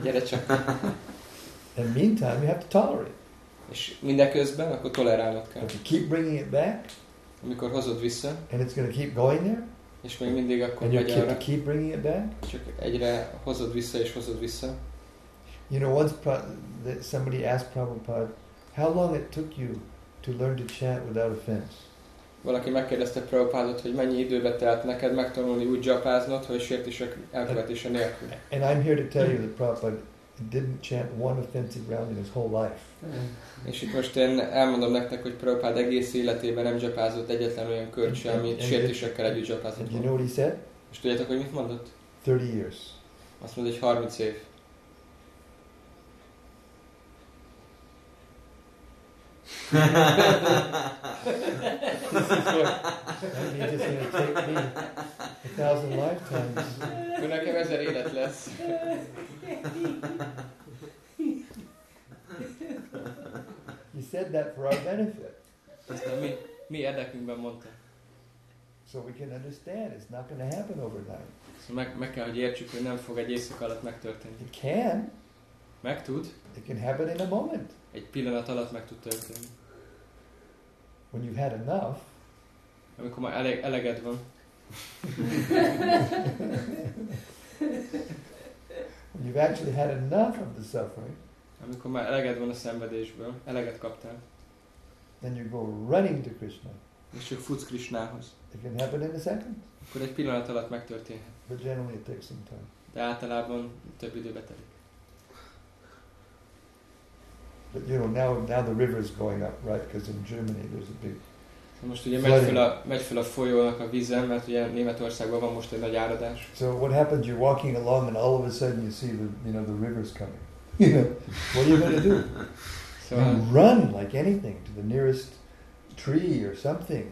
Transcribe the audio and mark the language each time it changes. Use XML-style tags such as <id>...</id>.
<hu>Gyere csak!</hu> <en>And meantime, you have to tolerate.</en> <hu>És mindeközben, akkor tolerálnod kell.</hu> <en>If you keep bringing it back,</en> <hu>amikor hozod vissza,</hu> <en>and it's going to keep going there,</en> <hu>és még mindig akkor</hu> <en>and you keep bringing it back.</en> <hu>Csak egyre hozod vissza és hozod vissza.</hu> <en>You know, once somebody asked Prabhupada, how long it took you to learn to chant without offense.</en> <hu>Valaki megkérdezte Prabhupádot, hogy mennyi időbe telt neked megtanulni úgy japáznot, hogy sértések elkövetése nélkül.</hu> <en>And I'm here to tell you that Prabhupada didn't chant one offensive round in his whole life.</en> <hu>És itt most én elmondom nektek, hogy Prabhupád egész életében nem dzsapázott egyetlen olyan kört sem, amit sértésekkel együtt dzsapázott.</hu> <en>You know what he said?</en> <hu>És tudjátok, hogy mit mondott?</hu> <en>30 years.</en> <hu>Azt mondta, hogy 30 év.</hu> <en>That means it's going to take me 1,000 lifetimes.</en> <hu>Ő nekem 1000 élet lesz.</hu> <en>He said that for our benefit.</en> <hu>Mi érdekünkben mondta.</hu> <en>So we can understand it's not going to happen overnight.</en> <hu>So meg kell, hogy értsük, hogy nem fog egy éjszak alatt megtörténni.</hu> <en>It can.</en> <hu>Meg tud.</hu> <en>It can happen in a moment.</en> <hu>Egy pillanat alatt meg tud történni.</hu> <en>When you've had enough.</en> <hu>Amikor már eleged van.</hu> <en>When you've actually had enough of the suffering,</en> <hu>amikor már eleged van a szenvedésből, eleget kaptál,</hu> <en>then you go running to Krishna.</en> <hu>És csak futsz Krishnához.</hu> <en>It can happen in a second.</en> <hu>Akkor egy pillanat alatt megtörténhet.</hu> <en>But generally it takes some time.</en> <hu>De általában több időbe telik.</hu> <en>But you know, now the river is going up, right? Because in Germany there's a big.</en> <hu>Most ugye megy fel a folyónak a vízen, mert ugye Németországban van most egy nagy áradás.</hu> <en>So what happens? You're walking along and all of a sudden you see the river's coming. What are you going to do? So, you run like anything to the nearest tree or something.</en>